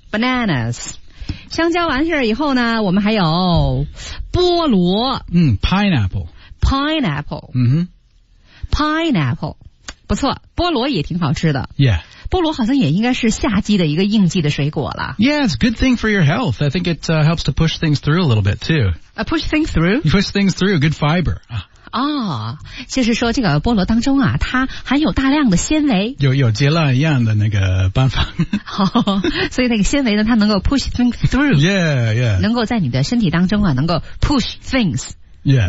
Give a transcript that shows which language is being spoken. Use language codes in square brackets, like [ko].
[en] Bananas. [zh] 香蕉完事儿以后呢我们还有菠萝 [en] 嗯 pineapple pineapple 嗯哼 [zh] pineapple 不错菠萝也挺好吃的 [en] yeah [zh] 菠萝好像也应该是夏季的一个应季的水果了 [en] yeah it's a good thing for your health I think it、helps to push things through a little bit too、 push things through you push things through good fiber、 [zh] 哦、就是说这个菠萝当中啊它含有大量的纤维有接辣一样的那个办法好所以那个纤维呢它能够 [en] push things through yeah yeah [zh] 能够在你的身体当中啊能够 [en] push things yeah